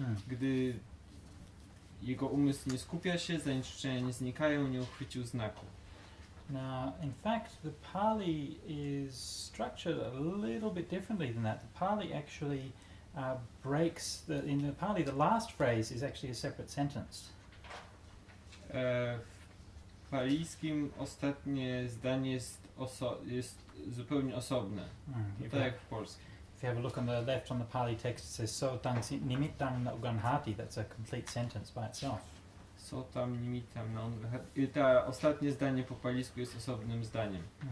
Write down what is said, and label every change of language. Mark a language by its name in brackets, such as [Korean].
[Polish] Gdy jego umysł nie skupia się, zanieczyszczenia nie znikają, nie uchwycił znaku. [English] Now, in fact, the Pali is structured a little bit differently than that. The Pali actually breaks the... In the Pali, the last phrase is actually a separate sentence. [Polish] W palijskim ostatnie zdanie jest zupełnie osobne, tak jak w polskim. [English] If you have a look on the left on the Pali text, it says [Pali] so tang nimittang na uganhati. [English] That's a complete sentence by itself. [Polish] Co tam nimi tam na ta ostatnie zdanie po palisku jest osobnym zdaniem.